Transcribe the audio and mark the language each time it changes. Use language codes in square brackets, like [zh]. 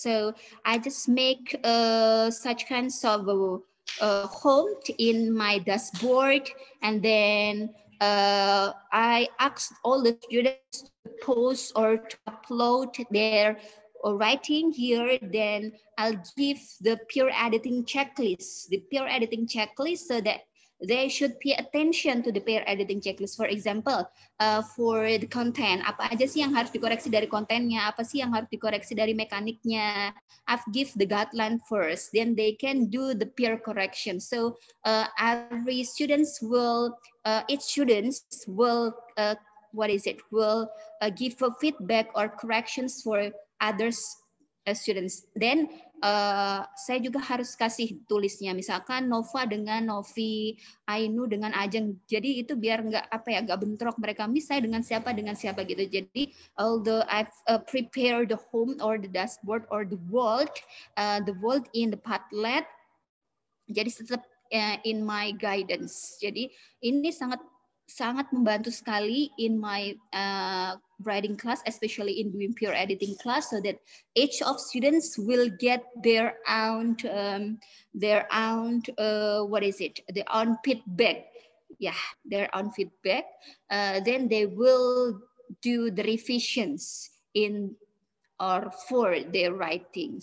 [en] So I just make such kinds of home in my dashboard, and then I ask all the students to post or to upload their writing here. Then I'll give the peer editing checklist so that they should pay attention to the peer editing checklist. For example, for the content, [id] apa aja sih yang harus dikoreksi dari kontennya, apa sih yang harus dikoreksi dari mekaniknya. [en] I've give the guideline first, then they can do the peer correction. So each student will give a feedback or corrections for others students. [id] Then saya juga harus kasih tulisnya, misalkan Nova dengan Novi, Ainu dengan Ajeng. Jadi itu biar nggak bentrok mereka, misalnya dengan siapa gitu. [en] Jadi although I've prepared the home or the dashboard or the world in the Padlet, [id] jadi tetap [en] in my guidance. [id] Jadi ini sangat sangat membantu sekali [en] in my writing class, especially in doing peer editing class, so that each of students will get their own feedback, then they will do the revisions in or for their writing.